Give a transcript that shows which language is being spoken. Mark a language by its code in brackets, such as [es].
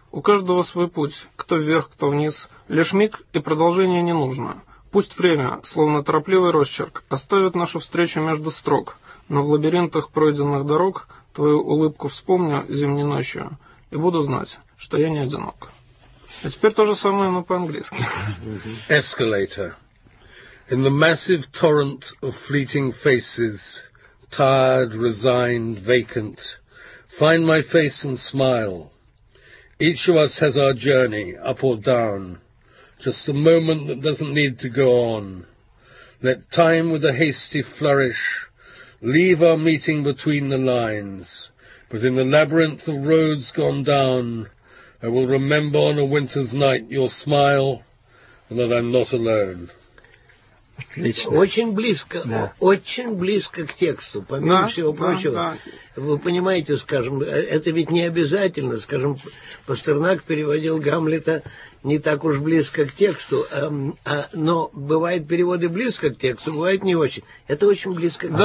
[ru] У каждого свой путь, кто вверх, кто вниз. Лишь миг и продолжение не нужно. Пусть время, словно торопливый росчерк, оставит нашу встречу между строк. Но в лабиринтах пройденных дорог твою улыбку вспомню зимней ночью и буду знать, что я не одинок». А теперь то же самое, но по-английски. [en] Escalator. In the massive torrent of fleeting faces, tired, resigned, vacant, find my face and smile. Each of us has our journey, up or down. Just a moment that doesn't need to go on. Let time with a hasty flourish leave our meeting between the lines. But in the labyrinth of roads gone down, I will remember on a winter's night your smile and that I'm not alone. [ru] Отлично. Очень близко, да. Очень близко к тексту, помимо всего прочего. Да. Вы понимаете, скажем, это ведь не обязательно, скажем, Пастернак переводил Гамлета не так уж близко к тексту, но бывают переводы близко к тексту, бывает не очень. Это очень близко к тексту.